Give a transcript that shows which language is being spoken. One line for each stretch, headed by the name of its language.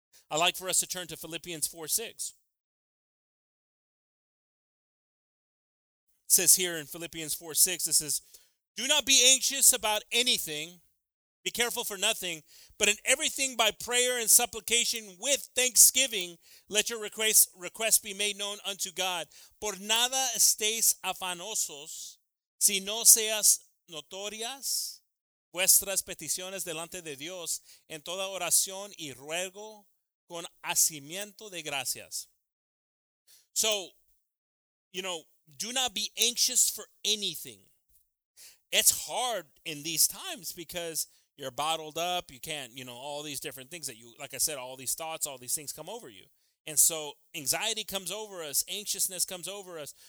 English: I'd like for us to turn to Philippians 4:6. It says here in Philippians 4:6, it says, "Do not be anxious about anything. Be careful for nothing, but in everything by prayer and supplication with thanksgiving, let your requests be made known unto God.
Spanish: Por nada estéis afanosos, si no seas notorias vuestras peticiones delante de Dios en toda oración y ruego con hacimiento de gracias."
English: So, you know, do not be anxious for anything. It's hard in these times because you're bottled up. You can't, you know, all these different things that you, like I said, all these thoughts, all these things come over you. And so anxiety comes over us. Anxiousness comes over us.